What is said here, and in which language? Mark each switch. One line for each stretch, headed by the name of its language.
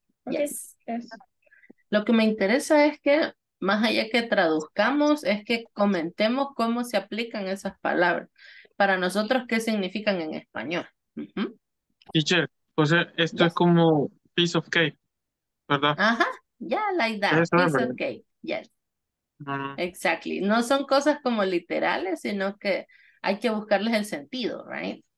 English: Yes. Yes.
Spanish: Lo que me interesa es que, más allá que traduzcamos, es que comentemos cómo se aplican esas palabras. Para nosotros, ¿qué significan en español? Uh-huh. Teacher, pues esto yes.
English: Es como piece of cake,
Spanish: ¿verdad?
English: Ajá, yeah, like that, piece of cake, yes. Uh-huh.
Spanish: Exactly, no son cosas como literales, sino que hay que buscarles el sentido, right?